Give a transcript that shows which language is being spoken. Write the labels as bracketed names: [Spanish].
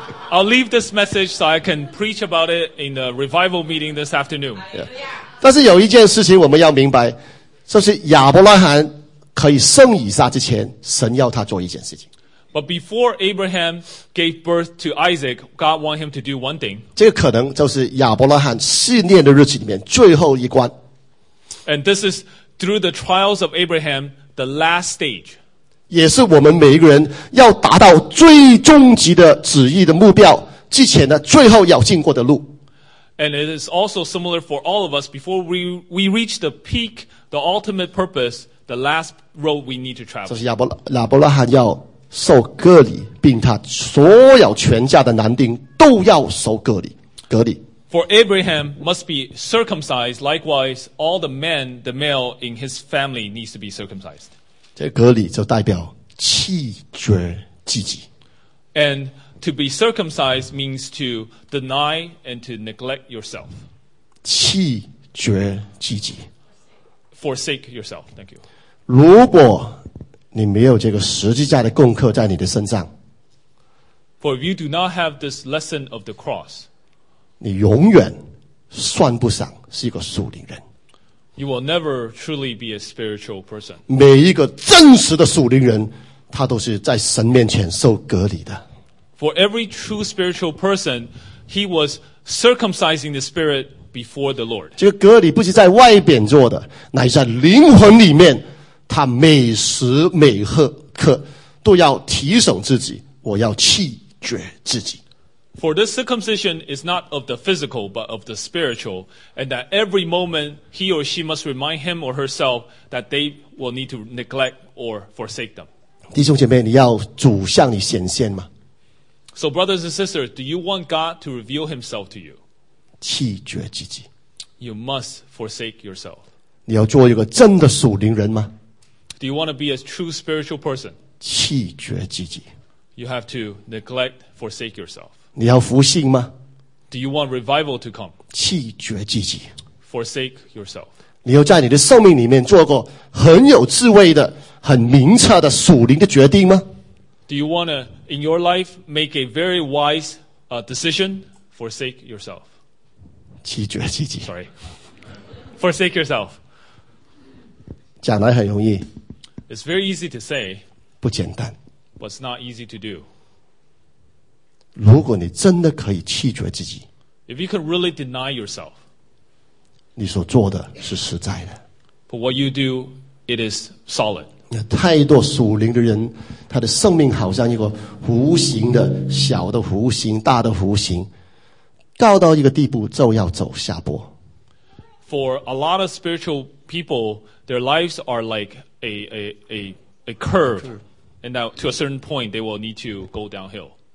[English] I'll leave this message so I can preach about it in the revival meeting this afternoon. Yeah. [Chinese] 但是有一件事情我们要明白，就是亚伯拉罕可以生以撒之前，神要他做一件事情。 [English] But before Abraham gave birth to Isaac, God wanted him to do one thing. [Chinese] 这个可能就是亚伯拉罕试炼的日子里面最后一关。 [English] And this is through the trials of Abraham, the last stage. [Chinese] 也是我们每一个人要达到最终极的旨意的目标之前的最后要经过的路。 [English] And it is also similar for all of us before we reach the peak, the ultimate purpose, the last road we need to travel. [Chinese] 就是亚伯拉罕要受割礼，并他所有全家的男丁都要受割礼，割礼。 [English] For Abraham must be circumcised, likewise, all the men, the male in his family needs to be circumcised. [Chinese] 这割礼就代表弃绝自己。 [English] And to be circumcised means to deny and to neglect yourself. [Chinese] 弃绝自己。 [English] Forsake yourself, thank you. [Chinese] 如果你没有这个十字架的功课在你的身上。 [English] For if you do not have this lesson of the cross, [Chinese] 你永远算不上是一个属灵人。 [English] You will never truly be a spiritual person. [Chinese] 每一个真实的属灵人，他都是在神面前受隔离的。 [English] For every true spiritual person, he was circumcising the spirit before the Lord. [Chinese] 这个隔离不是在外边做的，乃是在灵魂里面。他每时每刻都要提醒自己，我要弃绝自己。 [English] For this circumcision is not of the physical, but of the spiritual, and that every moment he or she must remind him or herself that they will need to neglect or forsake them. [Chinese] 弟兄姐妹，你要主向你显现吗 [English] ？So brothers and sisters, do you want God to reveal Himself to you? [Chinese] 弃绝自己。 [English] You must forsake yourself. [Chinese] 你要做一个真的属灵人吗？ [English] Do you want to be a true spiritual person? [Chinese] 弃绝自己。 [English] You have to neglect, forsake yourself. [Chinese] 你要复兴吗？ [English] Do you want revival to come? [Chinese] 弃绝自己。 [English] Forsake yourself. [Chinese] 你要在你的生命里面做过很有智慧的、很明澈的属灵的决定吗？ [English] Do you want to, in your life, make a very wise decision? Forsake yourself. [Chinese] 弃绝自己。 [English] Sorry. Forsake yourself. [Chinese] 讲来很容易。 [English] It's very easy to say, [Chinese] 不简单, [English] but it's not easy to do. [Chinese] 如果你真的可以弃绝自己, [English] if you can really deny yourself, [Chinese] 你所做的是实在的, [English] but what you do, it is solid. [Chinese] 太多属灵的人, 他的生命好像一个弧形的, 小的弧形, 大的弧形, 高到一个地步就要走下坡。 [English] For a lot of spiritual people, their lives are like a curve, and now to a certain point, they will need to go downhill.